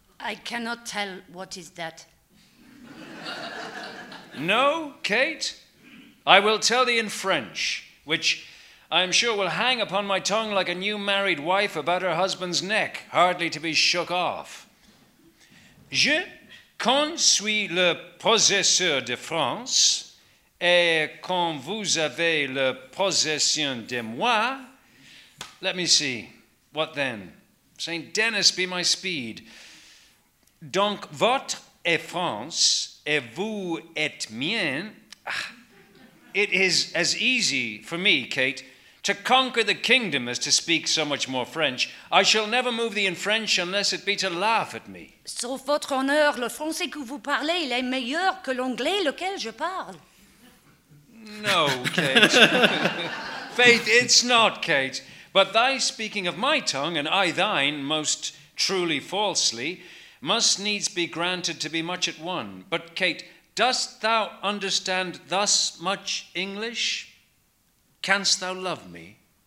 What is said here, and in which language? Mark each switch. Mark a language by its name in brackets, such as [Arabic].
[English] I cannot tell what is that. No, Kate, I will tell thee in French, which I am sure will hang upon my tongue like a new married wife about her husband's neck, hardly to be shook off. [French] Je quand suis le possesseur de France, et quand vous avez le possession de moi, [English] let me see, what then? Saint Denis be my speed. [French] Donc votre est France, et vous êtes mien. [English] It is as easy for me, Kate, to conquer the kingdom as to speak so much more French. I shall never move thee in French unless it be to laugh at me. [French] Sauf votre honneur, le français que vous parlez, il est meilleur que l'anglais lequel je parle. [English] No, Kate. Faith, it's not, Kate. But thy speaking of my tongue, and I thine, most truly falsely, must needs be granted to be much at one. But, Kate, dost thou understand thus much English? Canst thou love me?